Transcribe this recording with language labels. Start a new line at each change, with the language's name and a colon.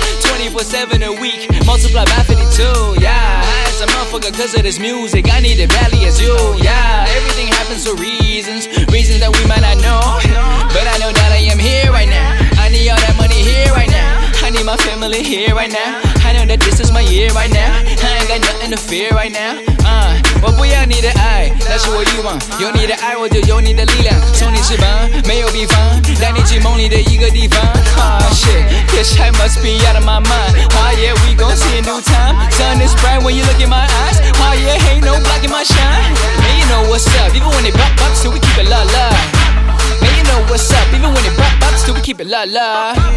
English: 24/7 a week, multiply by 52. Yeah, I'm a motherfucker cause of this music. I need it badly as you. Yeah, everything happens for reasons. Reasons that we might not know. But I know that I am here right now. I need all that money here right now. I need my family here right now. I know that this is my year right now. I ain't got nothing to fear right now.
Chinese: 我不要你的爱, 那是我欲望, 有你的爱, 我就有你的力量, 送你翅膀, 没有比方, 带你去梦里的一个地方.
English: Shit, this shit must be out of my mind. Oh yeah, we gon' see a new time. Sun is bright when you look in my eyes. Oh yeah, ain't no black in my shine. Man, you know what's up, even when it bop bop, still we keep it la-la. Man, you know what's up, even when it bop bop, still we keep it la-la.